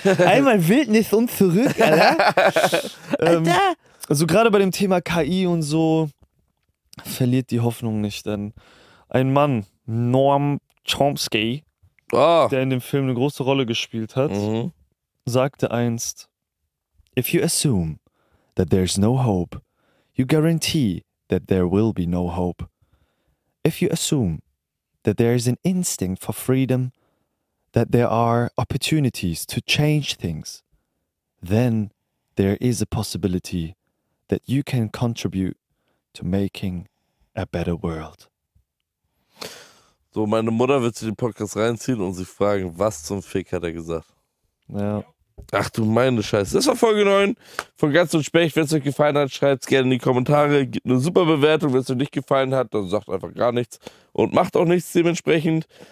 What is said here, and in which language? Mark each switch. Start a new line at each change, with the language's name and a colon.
German: Einmal Wildnis und zurück, Alter. Also gerade bei dem Thema KI und so, verliert die Hoffnung nicht. Denn ein Mann, Noam Chomsky, der in dem Film eine große Rolle gespielt hat, sagte einst,
English: if you assume that there's no hope,
German: you guarantee that there will be no hope.
English: If you assume that there is an instinct for freedom, that there are opportunities to change things, then there is a possibility that you can contribute to making a better world.
German: So, meine Mutter wird sich den Podcast reinziehen und sich fragen, was zum Fick hat er gesagt? Ja. Ach du meine Scheiße. Das war Folge 9 von Gans und Specht. Wenn es euch gefallen hat, schreibt es gerne in die Kommentare. Gebt eine super Bewertung. Wenn es euch nicht gefallen hat, dann sagt einfach gar nichts und macht auch nichts dementsprechend.